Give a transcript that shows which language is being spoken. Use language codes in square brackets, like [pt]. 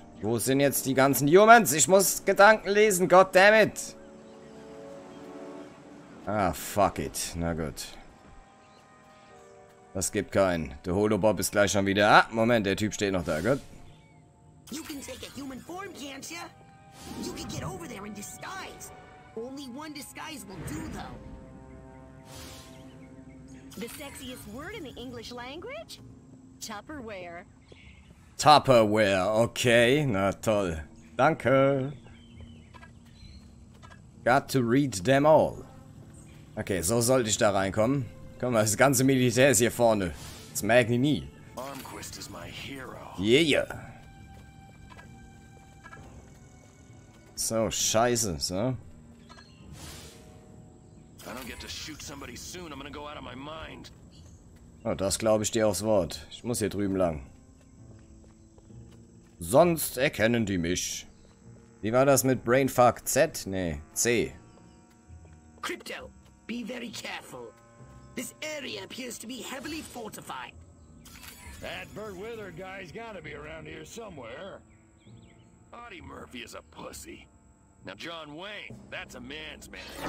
[de] Wo sind jetzt die ganzen Humans? Ich muss Gedanken lesen, goddammit. [en] Ah, fuck it. [de] Na gut. Das gibt keinen. Der Holobob ist gleich schon wieder. Ah, Moment, der Typ steht noch da, gut. [en] You can take a human form, can't you? You can get over there in disguise. Only one disguise will do, though. The sexiest word in the English language? [de] Tupperware. Tupperware, okay. Na toll. Danke. [en] Got to read them all. [de] Okay, so sollte ich da reinkommen. Guck mal, das ganze Militär ist hier vorne. Das merken die nie. [en] Armquist is my hero. Yeah. [de] So, scheiße, so. [en] If I don't get to shoot somebody soon, I'm gonna go out of my mind. [de] Oh, das glaube ich dir aufs Wort. Ich muss hier drüben lang. Sonst erkennen die mich. Wie war das mit Brainfuck? [en] Z? Nee, C. Crypto, be very careful. This area appears to be heavily fortified. That Bert Wither guy's gotta be around here somewhere. Audie Murphy is a pussy. Now John Wayne, that's a man's man.